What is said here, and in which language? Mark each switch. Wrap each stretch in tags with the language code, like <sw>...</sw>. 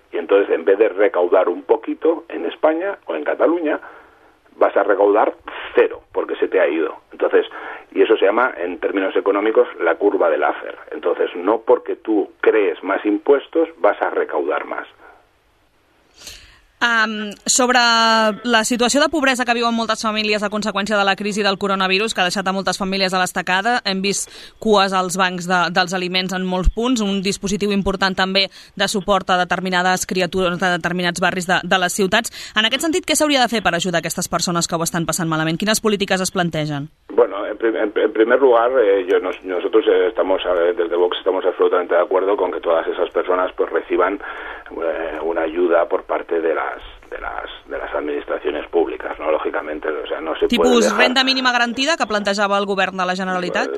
<es>Y entonces, en vez de recaudar un poquito en España o en Cataluña, vas a recaudar cero, porque se te ha ido. Entonces, y eso se llama, en términos económicos, la curva de Laffer. Entonces, no porque tú crees más impuestos, vas a recaudar más.</es> <ca>Sobre la situació de pobresa que viuen moltes famílies a conseqüència de la crisi del coronavirus, que ha deixat a moltes famílies a l'estacada, hem vist cues als bancs dels aliments en molts punts, un dispositiu important també de suport a determinades criatures de determinats barris de les ciutats. En aquest sentit, què s'hauria de fer per ajudar aquestes persones que ho estan passant malament? Quines polítiques es plantegen?</ca> <es>Bueno, en primer lugar, nosotros estamos, desde Vox, estamos absolutamente de acuerdo con que todas esas personas pues reciban una ayuda por parte de las administraciones públicas, ¿no? Lógicamente, o sea, no se</es> <ca>tipus</ca> <es>puede dejar...</es> <ca>renda mínima garantida que plantejava el govern de la Generalitat?</ca>